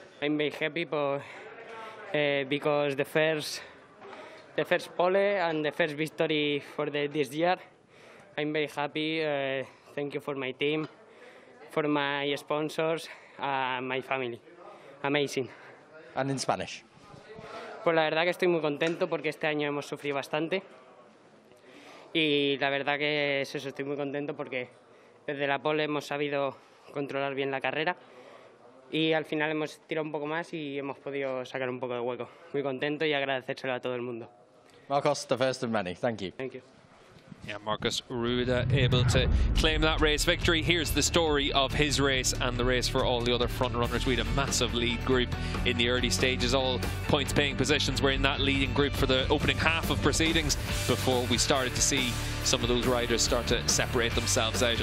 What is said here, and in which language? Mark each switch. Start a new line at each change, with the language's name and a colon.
English: I'm very happy because the first pole and the first victory for this year. I'm very happy. Thank you for my team, for my sponsors, my family. Amazing. And in Spanish?
Spanish: Pues la verdad que estoy muy contento porque este año hemos sufrido bastante. Y la verdad que es eso, estoy muy contento porque desde la pole hemos sabido controlar bien la carrera y al final hemos tirado un poco más y hemos podido sacar un poco de hueco. Muy contento y agradecérselo a todo el mundo.
English: Marcos, the first of many. Thank you. Thank you. Yeah, Marcus Ruda able to claim that race victory. Here's the story of his race and the race for all the other front runners. We had a massive lead group in the early stages. All points paying positions were in that leading group for the opening half of proceedings before we started to see some of those riders start to separate themselves out.